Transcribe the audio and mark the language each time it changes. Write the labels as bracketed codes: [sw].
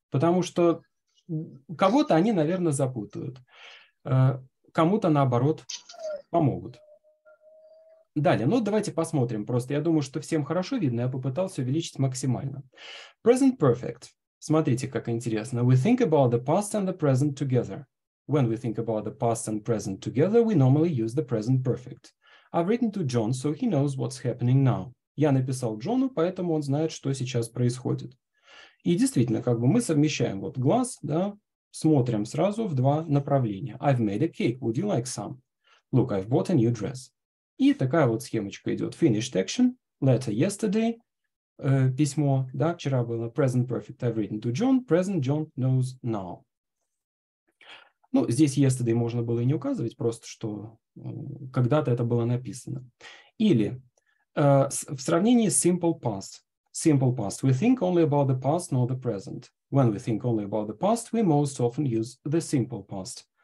[ru] Потому что кого-то они, наверное, запутают. Кому-то, наоборот, помогут. Далее, ну давайте посмотрим просто. Я думаю, что всем хорошо видно, я попытался увеличить максимально. [en] Present perfect. [ru] Смотрите, как интересно. [en] We think about the past and the present together. When we think about the past and present together, we normally use the present perfect. I've written to John, so he knows what's happening now. [ru] Я написал Джону, поэтому он знает, что сейчас происходит. И действительно, как бы мы совмещаем вот глаз, да, смотрим сразу в два направления. [en] I've made a cake, would you like some? Look, I've bought a new dress. [ru] И такая вот схемочка идет. [en] Finished action, letter yesterday, [ru] письмо, да, вчера было [en] present perfect, I've written to John, present John knows now. [ru] Ну, здесь yesterday можно было и не указывать, просто что когда-то это было написано. Или в сравнении с simple past. Simple past. [en] We think only about the past, not the present. When we think only about the past, we most often use the simple past.